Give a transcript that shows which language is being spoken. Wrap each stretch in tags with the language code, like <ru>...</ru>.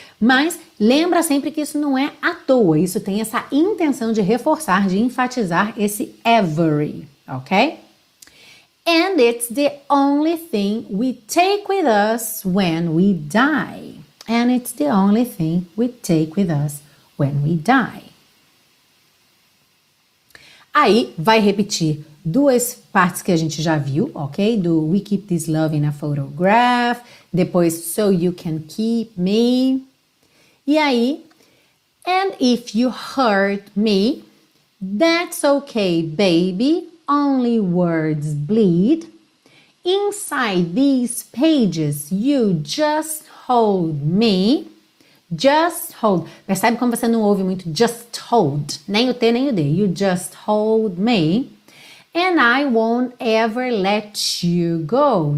<pt>Mas, lembra sempre que isso não é à toa. Isso tem essa intenção de reforçar, de enfatizar esse every, ok?</pt> <en>And it's the only thing we take with us when we die. And it's the only thing we take with us when we die.</en> <pt>Aí, vai repetir duas partes que a gente já viu, ok?</pt> <en>Do we keep this love in a photograph.</en> <pt>Depois,</pt> <en>so you can keep me.</en> <pt>E aí,</pt> <en>and if you hurt me, that's okay, baby. Only words bleed. Inside these pages, you just hold me. Just hold.</en> <pt>Percebe como você não ouve muito</pt> <en>just hold.</en> <pt>Nem o T, nem o D.</pt> <en>You just hold me. And I won't ever let you go.</en>